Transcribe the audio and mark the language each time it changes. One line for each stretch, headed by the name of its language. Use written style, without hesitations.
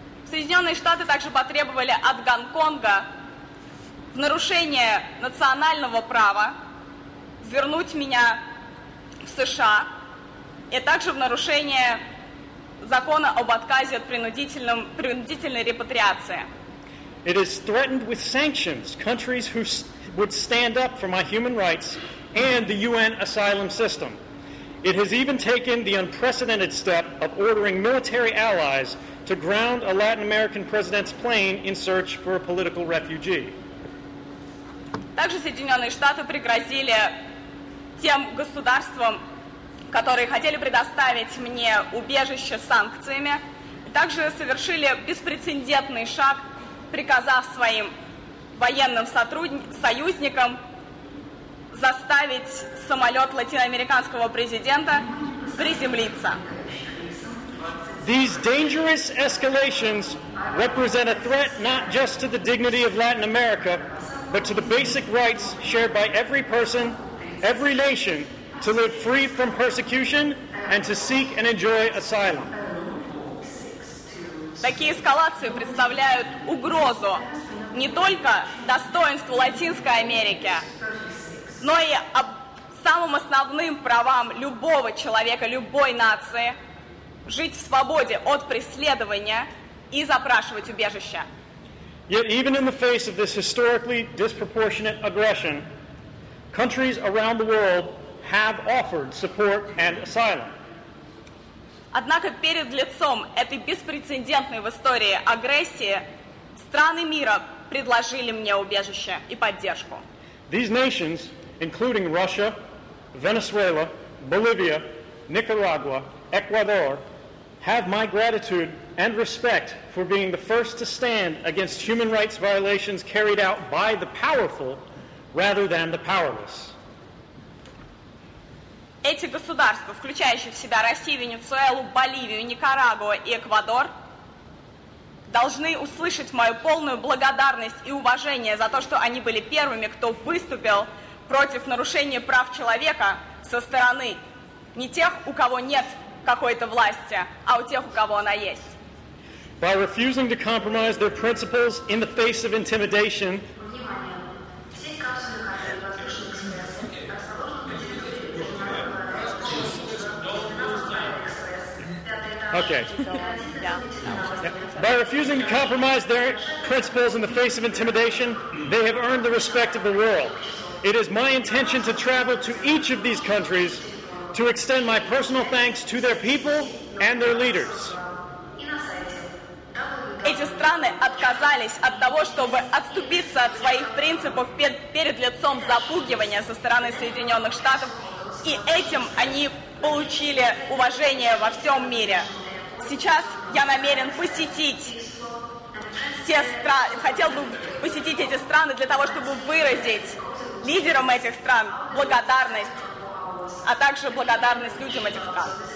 Russian: Соединенные Штаты также потребовали от Гонконга в нарушение национального права вернуть меня в США, и также в нарушение закона об отказе от принудительной репатриации.
English: It is threatened with sanctions, countries who would stand up for my human rights and the UN asylum system. It has even taken the unprecedented step of ordering military allies to ground a Latin American president's plane in search for a political refugee.
Russian: Также Соединенные Штаты пригрозили тем государствам, которые хотели предоставить мне убежище санкциями, также совершили беспрецедентный шаг, приказав своим военным союзникам заставить самолет латиноамериканского президента приземлиться.
English: These dangerous escalations represent a threat not just to the dignity of Latin America, but to the basic rights shared by every person, every nation, to live free from persecution and to seek and enjoy asylum.
Russian: Такие эскалации представляют угрозу не только достоинству Латинской Америки, но и самым основным правам любого человека, любой нации жить в свободе от преследования и запрашивать убежище.
English: Yet even in the face of this historically disproportionate aggression, countries around the world have offered support and asylum.
Russian: Однако перед лицом этой беспрецедентной в истории агрессии страны мира предложили мне убежище и поддержку.
English: These nations, including Russia, Venezuela, Bolivia, Nicaragua, Ecuador, have my gratitude and respect for being the first to stand against human rights violations carried out by the powerful rather than the powerless.
Russian: Эти государства, включающие в себя Россию, Венесуэлу, Боливию, Никарагуа и Эквадор, должны услышать мою полную благодарность и уважение за то, что они были первыми, кто выступил против нарушения прав человека со стороны не тех, у кого нет какой-то власти, а у тех, у кого она есть.
English: By refusing to compromise their principles in the face of intimidation, okay. By refusing to compromise their principles in the face of intimidation, they have earned the respect of the world. It is my intention to travel to each of these countries to extend my personal thanks to their people and their leaders.
Russian: Эти страны отказались от того, чтобы отступиться от своих принципов перед лицом запугивания со стороны Соединенных Штатов, и этим они получили уважение во всем мире. Сейчас я намерен хотел бы посетить эти страны для того, чтобы выразить лидерам этих стран благодарность, а также благодарность людям этих стран.